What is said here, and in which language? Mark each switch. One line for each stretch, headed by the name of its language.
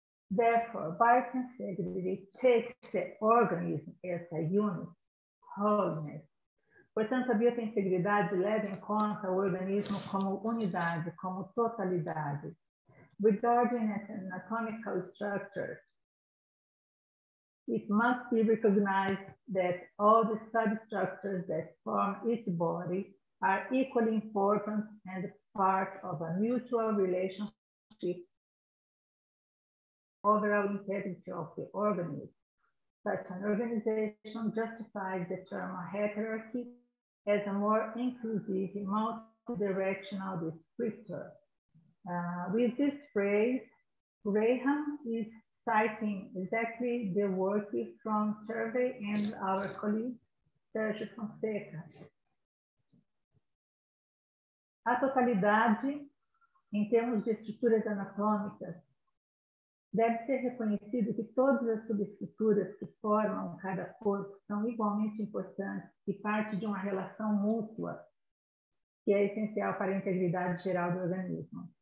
English: Therefore, biotensegrity takes the organism as a unit, wholeness,
Portuguese: Portanto, a biointegridade leva em conta o organismo como unidade, como totalidade.
English: Regarding its anatomical structure, it must be recognized that all the substructures that form its body are equally important and part of a mutual relationship overall integrity of the organism. Such an organization justifies the term hierarchy as a more inclusive, multi-directional descriptor. With this phrase, Graham is citing exactly the work from Turvey and our colleague, Sergio Fonseca.
Portuguese: A totalidade, em termos de estruturas anatômicas, deve ser reconhecido que todas as subestruturas que formam cada corpo são igualmente importantes e parte de uma relação mútua que é essencial para a integridade geral do organismo.